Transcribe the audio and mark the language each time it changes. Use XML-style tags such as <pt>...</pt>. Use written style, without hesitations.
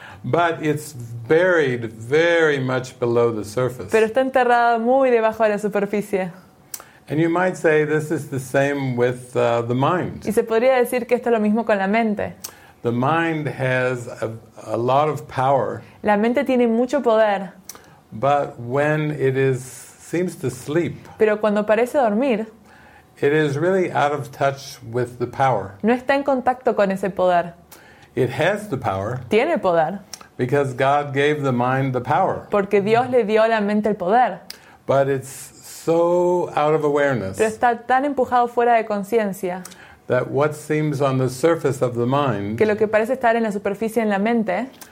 <en>But it's buried very much below the surface.</en> <es>Pero está enterrado muy debajo de la superficie.</es> <en>And you might say this is the same with the mind.</en> <es>Y se podría decir que esto es lo mismo con la mente.</es> <en>The mind has a lot of power.</en> <es>La mente tiene mucho poder.</es> <en>But when it is seems to sleep.</en> <es>Pero cuando parece dormir.</es> <en>It is really out of touch with the power.</en> <es>No está en contacto con ese poder.</es> <en>It has the power.</en> <es>Tiene poder.</es> <en>Because God gave the mind the power.</en> <es>Porque Dios le dio a la mente el poder.</es> <en>But it's so out of awareness.</en> <es>Pero está tan empujado fuera de conciencia.</es> <en>That what seems on the surface of the mind</en> <es>que lo que parece estar en la superficie en la mente</es>